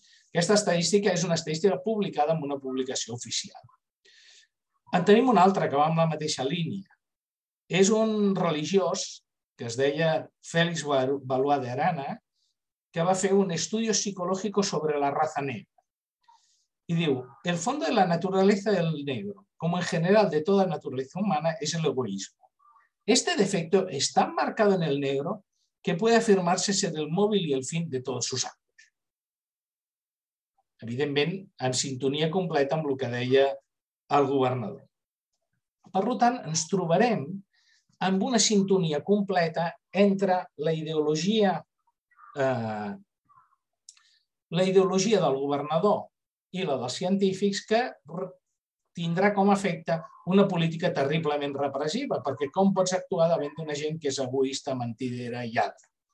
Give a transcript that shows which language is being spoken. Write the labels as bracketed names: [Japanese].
[Catalan] Aquesta estadística és una estadística publicada en una publicació oficial. En tenim una altra que va en la mateixa línia. És un religiós que es deia Félix Valois de Arana que va fer un estudi psicològic sobre la raça negra. I diu, [Spanish] el fondo de la naturaleza del negro, como en general de toda naturaleza humana, es el egoísmo. Este defecto es tan marcado en el negro que puede afirmarse ser el móvil y el fin de todos sus actos. [Catalan] Evidentment, en sintonia completa amb el que deia al governador. Per tant, ens trobarem amb una sintonia completa entre la ideologia del governador i la dels científics, que tindrà com a efecte una política terriblement repressiva, perquè com pots actuar davant d'una gent que és egoista, mentidera i altra?